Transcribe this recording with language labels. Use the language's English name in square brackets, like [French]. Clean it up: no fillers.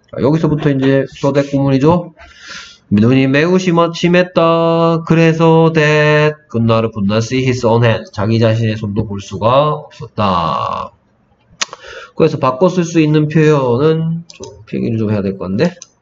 [Korean] 여기서부터 이제 소대 구문이죠. 눈이 매우 심했다. 그래서 [English] that Gunnar could not see his own hand. [Korean] 자기 자신의 손도 볼 수가 없었다. 그래서 바꿔 쓸 수 있는 표현은 좀 필기를 좀 해야 될 건데.